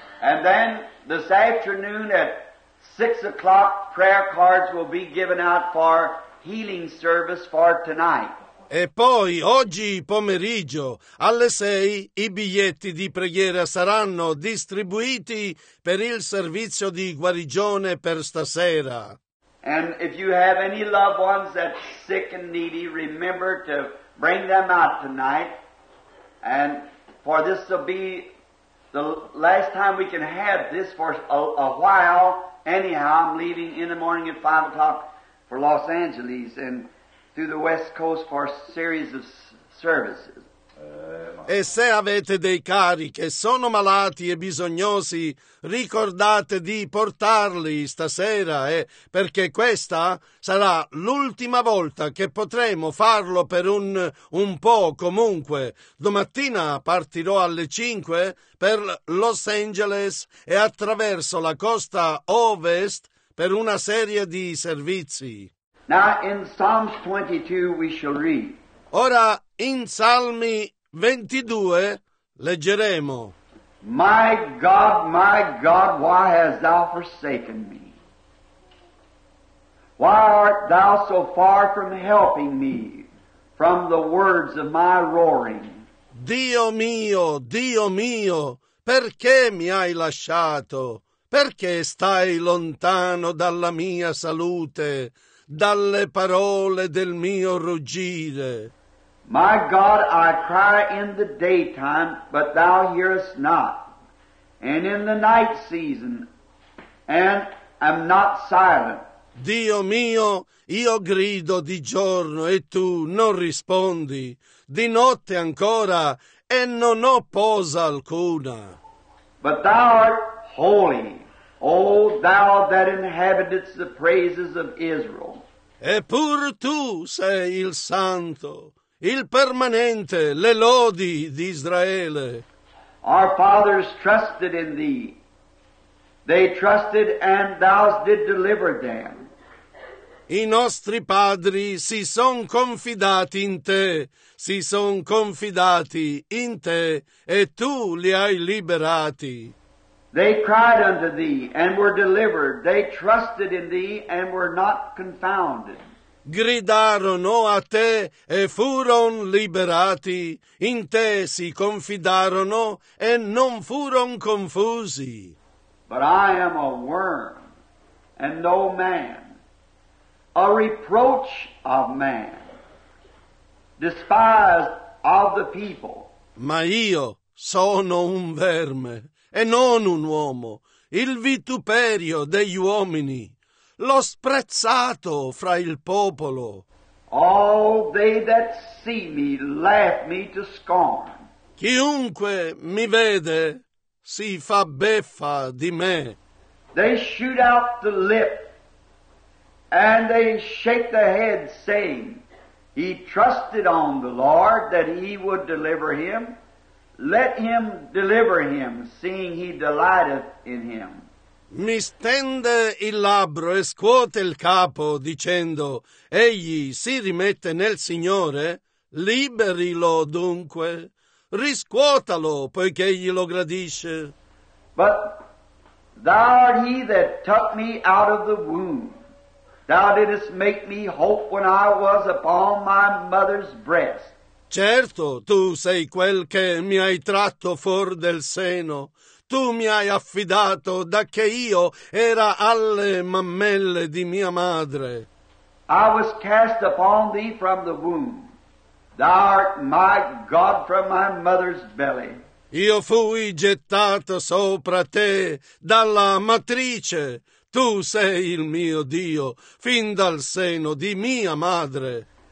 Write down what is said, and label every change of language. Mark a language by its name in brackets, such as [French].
[English] And then this afternoon at 6 o'clock, prayer cards will be given out for healing service for tonight. [Italian] E poi, oggi pomeriggio, alle 6, i biglietti di preghiera saranno distribuiti per il servizio di guarigione per stasera. [English] And if you have any loved ones that's sick and needy, remember to bring them out tonight. And for this will be the last time we can have this for a while. Anyhow, I'm leaving in the morning at 5 o'clock for Los Angeles and through the West Coast for a series of services. [Italian] E se avete dei cari che sono malati e bisognosi, ricordate di portarli stasera, perché questa sarà l'ultima volta che potremo farlo per un po' comunque. Domattina partirò alle 5 per Los Angeles e attraverso la costa ovest per una serie di servizi. [English] Now in Psalms 22 we shall read. [Italian] Ora in Salmi 22 leggeremo. [English] My God, why hast thou forsaken me? Why art thou so far from helping me from the words of my roaring? [Italian] Dio mio, perché mi hai lasciato? Perché stai lontano dalla mia salute, dalle parole del mio ruggire? [English] My God, I cry in the daytime, but thou hearest not, and in the night season, and am not silent. [Italian] Dio mio, io grido di giorno, e tu non rispondi, di notte ancora, e non ho posa alcuna. [English] But thou art holy, O thou that inhabitest the praises of Israel. [Italian] Eppur tu sei il santo, il permanente, le lodi di Israele. [English] Our fathers trusted in thee. They trusted and thou didst deliver them. [Italian] I nostri padri si son confidati in te, si son confidati in te, e tu li hai liberati. [English] They cried unto thee and were delivered. They trusted in thee and were not confounded. [Italian] Gridarono a te e furon liberati, in te si confidarono e non furon confusi. [English] But I am a worm and no man, a reproach of man, despised of the people. [Italian] Ma io sono un verme e non un uomo, il vituperio degli uomini, l'ho sprezzato fra il popolo. [English] All they that see me laugh me to scorn. [Italian] Chiunque mi vede si fa beffa di me. [English] They shoot out the lip and they shake the head, saying, he trusted on the Lord that he would deliver him. Let him deliver him, seeing he delighteth in him. [Italian] Mi stende il labbro e scuote il capo, dicendo, egli si rimette nel Signore, liberilo dunque, riscuotalo, poiché egli lo gradisce. [English] But thou art he that took me out of the womb. Thou didst make me hope when I was upon my mother's breast. [Italian] Certo, tu sei quel che mi hai tratto fuor del seno. Tu mi hai affidato da che io era alle mammelle di mia madre. [English] I was cast upon thee from the womb. Thou art my God from my mother's belly. [Italian] Io fui gettato sopra te dalla matrice. Tu sei il mio Dio, fin dal seno di mia madre.